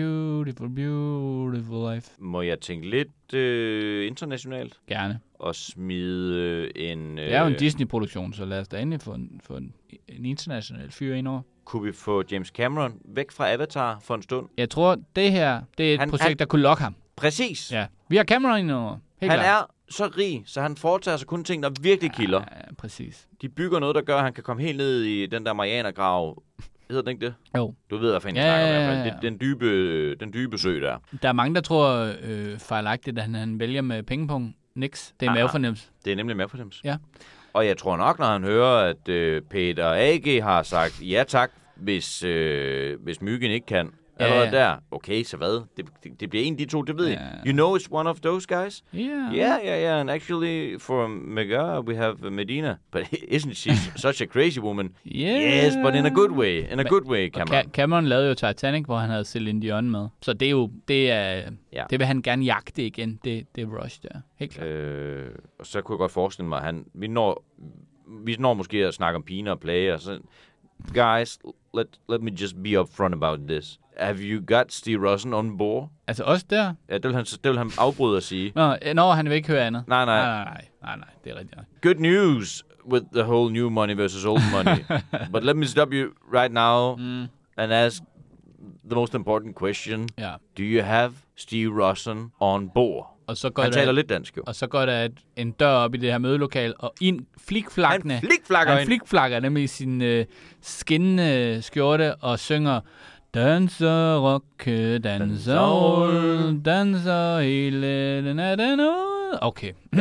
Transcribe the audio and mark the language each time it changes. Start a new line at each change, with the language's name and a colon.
English: What a beautiful, beautiful life.
Danish: Må jeg tænke lidt internationalt? Gerne. Og smide en... Det er jo en Disney-produktion, så lad os da endelig få en international fyr ind over. Kunne vi få James Cameron væk fra Avatar for en stund? Jeg tror, det her det er et projekt, der kunne lokke ham. Præcis. Ja. Vi har Cameron ind over. Helt han klar. Er så rig, så han foretager sig kun ting, der virkelig kilder. Ja, præcis. De bygger noget, der gør, at han kan komme helt ned i den der Marianagrav. Hedder den ikke det? Jo. Du ved, hvad fanden snakker om i hvert fald. Det er den dybe sø der. Der er mange, der tror fejlagtigt, at han vælger med pingpong. Niks. Det er mavefornemmelse. Det er nemlig mavefornemmelse. Ja. Og jeg tror nok, når han hører, at Peter A.G. har sagt ja tak, hvis myggen ikke kan. Allerede ja. Der. Okay, så hvad? Det bliver en af de to, det ved jeg.
English: You know it's one of those guys? Yeah. And actually, for Mega, we have Medina. But isn't she such a crazy woman? Yeah. Yes, but in a good way. In a good way, Cameron.
Danish: Cameron lavede jo Titanic, hvor han havde Celine Dion med. Så det er jo... Det vil han gerne jagte igen, det rush der. Helt klart. Og så kunne jeg godt forestille mig, vi når måske at snakke om piner og plage, og så...
English: Guys, let me just be upfront about this. Have you got Steve Rosen on board?
Danish: Altså også der? Ja, det vil han afbryde at sige. Nå, han vil ikke høre andet. Nej, det er rigtigt.
English: Good news with the whole new money versus old money. But let me stop you right now and ask the most important question.
Danish: Ja.
English: Do you have Steve Rosen on board?
Danish: Og så går han taler lidt dansk jo. Og så går der en dør op i det her mødelokal, og ind flikflakkende. Han flikflakker nemlig i sin skinnende skjorte og synger... Danser, rock, danser hele natten ud. Okay.